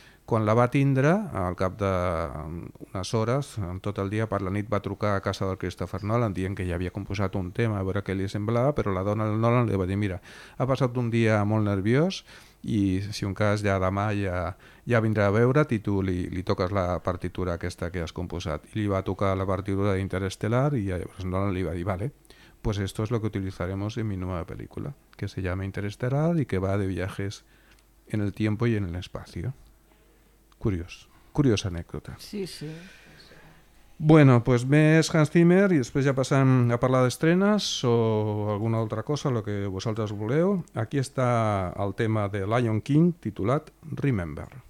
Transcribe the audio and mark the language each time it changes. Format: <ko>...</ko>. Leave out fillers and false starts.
<ca>Quan la va tindre, al cap d'unes hores, tot el dia per la nit va trucar a casa del Christopher Nolan dient que ja havia composat un tema, a veure què li semblava, però la dona del Nolan li va dir, mira, ha passat un dia molt nerviós i si un cas ja demà ja vindrà a veure't i tu li toques la partitura aquesta que has composat. I li va tocar la partitura d'Interestelar i llavors Nolan li va dir,</ca> <es>vale, pues esto es lo que utilizaremos en mi nueva película, que se llama Interestelar i que va de viajes en el tiempo y en el espacio.</es> <ca>Curiosa anècdota. Sí.</ca> <es>Bueno, pues</es> <ca>més Hans Zimmer i després ja passem a parlar d'estrenes o alguna altra cosa, el que vosaltres voleu. Aquí està el tema de Lion King titulat Remember.</ca>